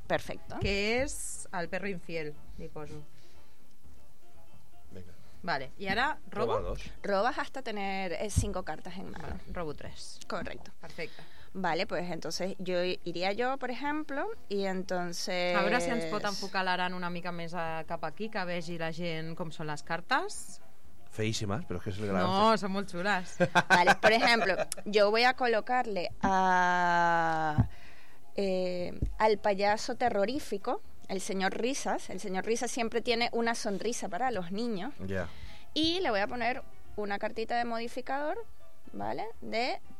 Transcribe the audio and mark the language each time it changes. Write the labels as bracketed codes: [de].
[es] Perfecto. Que es al perro infiel, diposo. Vale, y ahora robo. Robas hasta tener 5 cartas en mano. Vale, robo 3. Correcto. Perfecto. Vale, pues entonces yo iría yo, por ejemplo, y entonces... [ca] A veure si ens pot enfocalar en una mica més cap aquí, que vegi la gent com són les cartes. Feíssimes, però és que és el gran... No, són molt xules. [es] Vale, por ejemplo, yo voy a colocarle a, al payaso terrorífico, el señor Risas. El señor Risas siempre tiene una sonrisa para los niños. Ya. Yeah. Y le voy a poner una cartita de modificador, ¿vale? De...